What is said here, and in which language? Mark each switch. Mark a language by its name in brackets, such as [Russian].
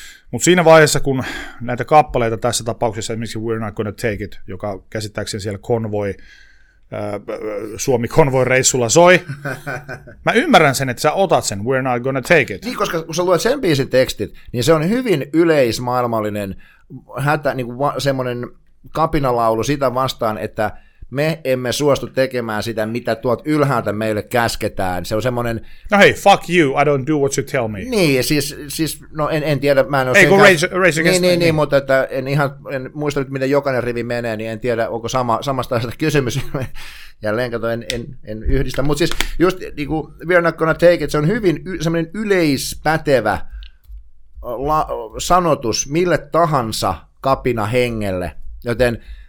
[Finnish] Mutta siinä vaiheessa, kun näitä kappaleita tässä tapauksessa, esimerkiksi We're Not Gonna Take It, joka käsittääkseni siellä konvoi, Suomi konvoi reissulla soi, mä ymmärrän sen, että sä otat sen We're Not Gonna Take It. Niin, koska kun sä luet sen biisin tekstit, niin se on hyvin yleismaailmallinen hätä, niin kuin semmoinen kapinalaulu sitä vastaan, että me emme suostu tekemään sitä, mitä tuot ylhäältä meille käsketään. Se on semmoinen... No hei, [English] fuck you, I don't do what you tell me. [Finnish] Niin, siis no en tiedä, mä en ole... Ei, kun [English] raise against me. [Finnish] Niin, mutta että en muista nyt, miten jokainen rivi menee, niin en tiedä, onko samasta asiasta kysymys. Jälleen kato, en yhdistä. Mutta siis just niin kuin We're Not Gonna Take It, se on hyvin semmoinen yleispätevä sanotus mille tahansa kapina hengelle, joten...